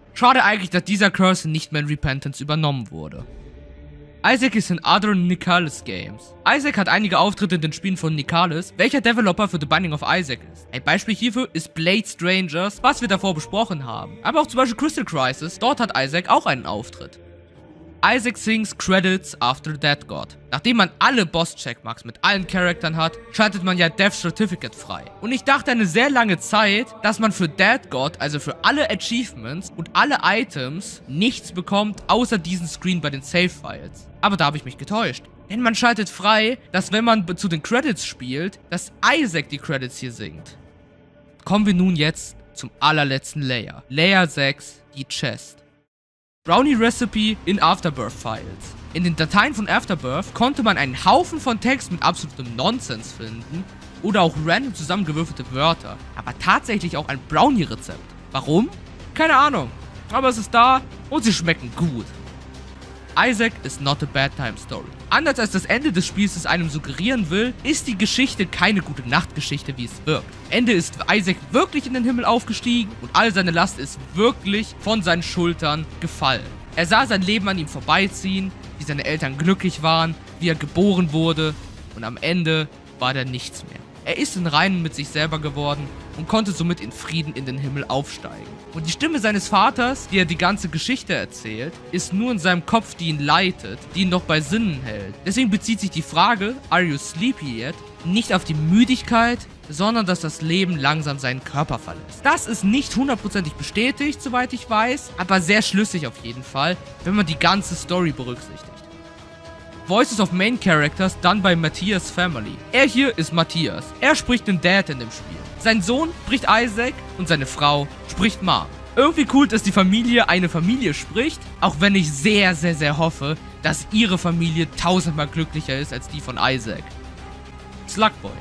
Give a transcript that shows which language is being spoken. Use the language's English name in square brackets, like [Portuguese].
[German] Schade eigentlich, dass dieser Curse nicht mehr in Repentance übernommen wurde. Isaac ist in Other Nicalis Games. Isaac hat einige Auftritte in den Spielen von Nicalis, welcher Developer für The Binding of Isaac ist. Ein Beispiel hierfür ist Blade Strangers, was wir davor besprochen haben. Aber auch zum Beispiel Crystal Crisis, dort hat Isaac auch einen Auftritt. [English] Isaac sings Credits after Dead God. [German] Nachdem man alle Boss-Checkmarks mit allen Charaktern hat, schaltet man ja Death Certificate frei. Und ich dachte eine sehr lange Zeit, dass man für Dead God, also für alle Achievements und alle Items, nichts bekommt, außer diesen Screen bei den Save-Files. Aber da habe ich mich getäuscht. Denn man schaltet frei, dass wenn man zu den Credits spielt, dass Isaac die Credits hier singt. Kommen wir nun jetzt zum allerletzten Layer. Layer 6, die Chest. [English] Brownie Recipe in Afterbirth Files. [German] In den Dateien von Afterbirth konnte man einen Haufen von Text mit absolutem Nonsens finden oder auch random zusammengewürfelte Wörter, aber tatsächlich auch ein Brownie-Rezept. Warum? Keine Ahnung, aber es ist da und sie schmecken gut. [English] Isaac is not a bedtime story. [German] Anders als das Ende des Spiels es einem suggerieren will, ist die Geschichte keine gute Nachtgeschichte, wie es wirkt. Ende ist Isaac wirklich in den Himmel aufgestiegen und all seine Last ist wirklich von seinen Schultern gefallen. Er sah sein Leben an ihm vorbeiziehen, wie seine Eltern glücklich waren, wie er geboren wurde und am Ende war er nichts mehr. Er ist in Reinen mit sich selber geworden und konnte somit in Frieden in den Himmel aufsteigen. Und die Stimme seines Vaters, die er die ganze Geschichte erzählt, ist nur in seinem Kopf, die ihn leitet, die ihn noch bei Sinnen hält. Deswegen bezieht sich die Frage, [English] "Are you sleepy yet?", [German] nicht auf die Müdigkeit, sondern dass das Leben langsam seinen Körper verlässt. Das ist nicht hundertprozentig bestätigt, soweit ich weiß, aber sehr schlüssig auf jeden Fall, wenn man die ganze Story berücksichtigt. [English] Voices of Main Characters, done by Matthias Family. [German] Er hier ist Matthias. Er spricht den Dad in dem Spiel. Sein Sohn spricht Isaac und seine Frau spricht Mom. Irgendwie cool, dass die Familie eine Familie spricht, auch wenn ich sehr, sehr, sehr hoffe, dass ihre Familie tausendmal glücklicher ist als die von Isaac. Slugboy.